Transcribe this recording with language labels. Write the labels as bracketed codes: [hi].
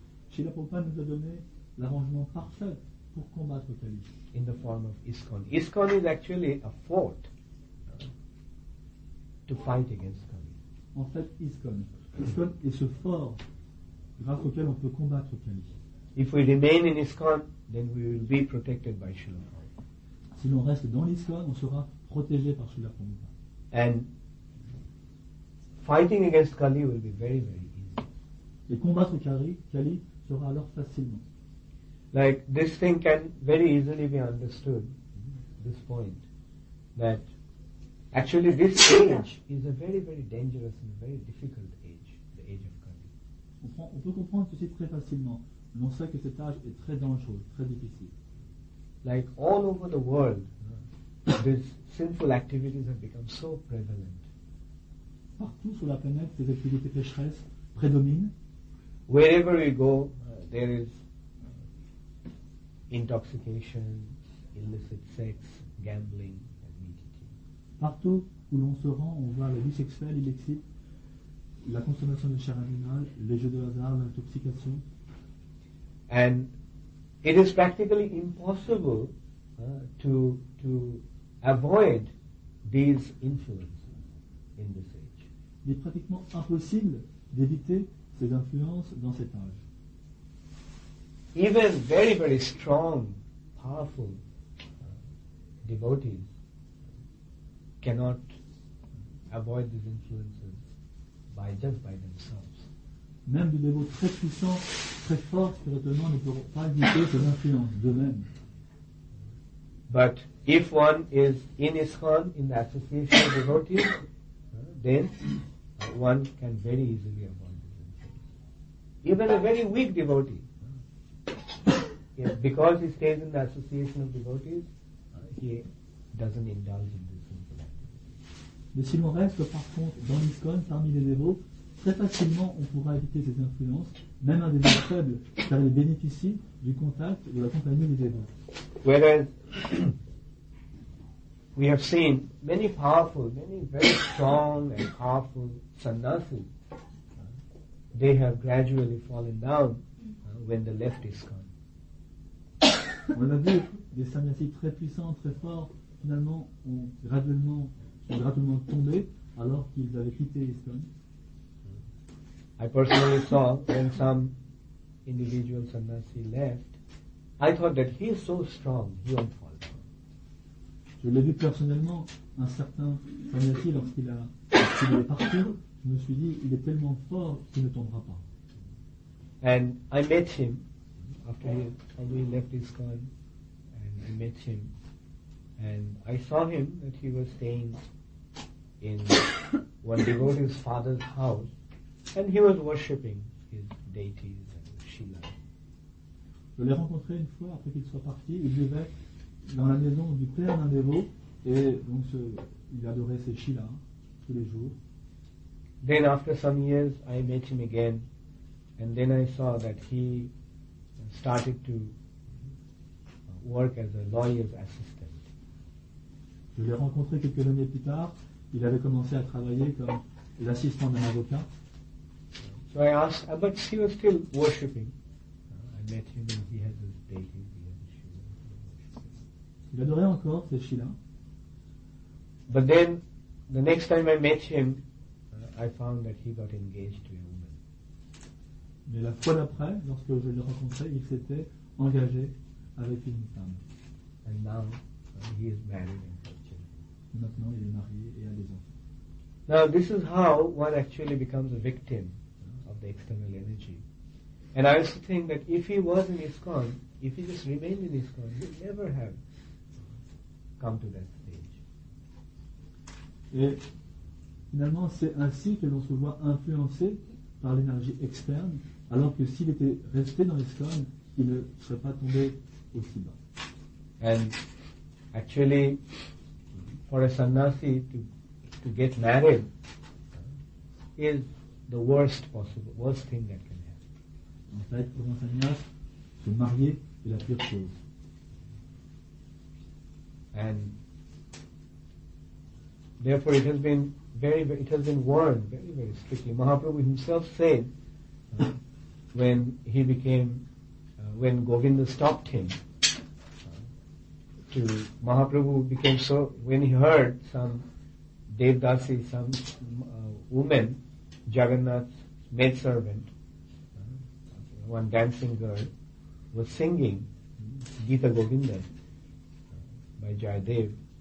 [fr] Srila Prabhupada nous a donné l'arrangement parfait pour combattre Kali. [en] In the form of ISKCON. ISKCON is actually a fort to fight against Kali. [fr] En fait, ISKCON. ISKCON est ce fort grâce auquel on peut combattre Kali. [en] If we remain in ISKCON, then we will be protected by Srila Prabhupada. [fr] Si l'on reste dans l'ISKCON, on sera protégé par Srila Prabhupada. [en] And fighting against Kali will be very, very easy. [fr] Et combattre Kali sera alors facilement. [en] Like, this thing can very easily be understood, this point, that actually this age is a very, very dangerous and very difficult age, the age of Kali. [fr] On peut comprendre ceci très facilement. On sait que cet âge est très dangereux, très difficile. [en] Like all over the world, these sinful activities have become so prevalent. [fr] Partout sur la planète, ces activités pécheresses prédominent. [en] Wherever we go, there is intoxication, illicit sex, gambling, and meat eating. [fr] Partout où l'on se rend, on voit la vie sexuelle illicite, la consommation de chair animale, les jeux de hasard, l'intoxication. [en] And it is practically impossible to avoid these influences in this age. [fr] Il est pratiquement impossible d'éviter ces influences dans cet âge. [en] Even very, very strong, powerful devotees cannot avoid these influences by themselves. [fr] Même des dévots très puissants, très forts, spirituellement, ne pourront pas éviter ces influences d'eux-mêmes. [en] But if one is in ISKCON, in the association of devotees, then one can very easily avoid these influences. Even a very weak devotee, because he stays in the association of devotees, he doesn't indulge in this influence. [fr] Mais si l'on reste, par contre, dans l'ISKCON, parmi les dévots, très facilement, on pourra éviter ces influences, même un dévot faible, car il bénéficie du contact de la compagnie des dévots. [en] Whereas, we have seen many powerful, many very strong and powerful sannyasis, they have gradually fallen down when they left ISKCON. [fr] On a vu des sannyasis très puissants, très forts, finalement, ont graduellement tombé alors qu'ils avaient quitté ISKCON. [en] I personally saw when some individual sannyasi left, I thought that he is so strong, he won't fall down. [fr] Je l'ai vu personnellement, un certain sannyasi lorsqu'il est parti, je me suis dit, il est tellement fort qu'il ne tombera pas. [en] And I met him after he left his school, and I met him, and I saw him that he was staying in one devotee's father's house, and he was worshipping his deities and Shiva. [fr] Je l'ai rencontré une fois après qu'il soit parti, il vivait dans la maison du père d'un dévot, et donc ce, il adorait ses Shiva tous les jours. [en] Then after some years, I met him again, and then I saw that he started to work as a lawyer's assistant. [fr] Je l'ai rencontré quelques années plus tard. Il avait commencé à travailler comme l'assistant d'un avocat. [en] So I asked, but he was still worshipping. I met him and he had his deities, he had his Shiva. [fr] Il adorait encore ses Shiva. [en] But then, the next time I met him, I found that he got engaged to a woman. [fr] Mais la fois d'après, lorsque je l'ai rencontré, il s'était engagé avec une femme. [en] And now he is married. [fr] Maintenant, il est marié et a des enfants. [en] Now this is how one actually becomes a victim of the external energy. And I also think that if he was in ISKCON, if he just remained in ISKCON, he would never have come to that stage. [fr] Et finalement, c'est ainsi que l'on se voit influencé par l'énergie externe, alors que s'il était resté dans ISKCON, il ne serait pas tombé aussi bas. [en] And actually, for a sannyasi to get married is the worst possible, worst thing that can happen. [fr] En fait, pour un sannyasi, se marier est la pire chose. [en] And therefore it has been very, very, it has been warned very, very strictly. Mahaprabhu himself said when he became, when Govinda stopped him, Mahaprabhu became so, when he heard some Devdasi, some woman, Jagannath's maidservant, one dancing girl, was singing Gita Govinda by Jayadev.